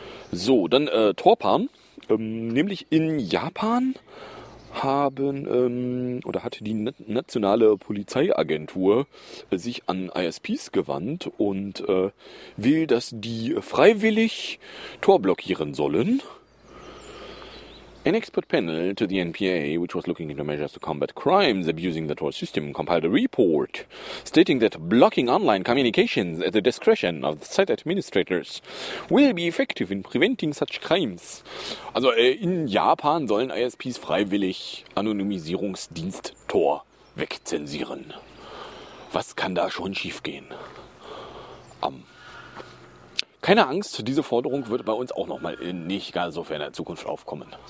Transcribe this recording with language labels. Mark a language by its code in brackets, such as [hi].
[de] So, dann Torpan. Nämlich in Japan hat die nationale Polizeiagentur sich an ISPs gewandt und will, dass die freiwillig Tor blockieren sollen. [en] An expert panel to the NPA, which was looking into measures to combat crimes abusing the Tor system, compiled a report stating that blocking online communications at the discretion of the site administrators will be effective in preventing such crimes. [de] Also, in Japan sollen ISPs freiwillig Anonymisierungsdienst Tor wegzensieren. Was kann da schon schiefgehen? Keine Angst, diese Forderung wird bei uns auch nochmal in nicht gar so ferner Zukunft aufkommen.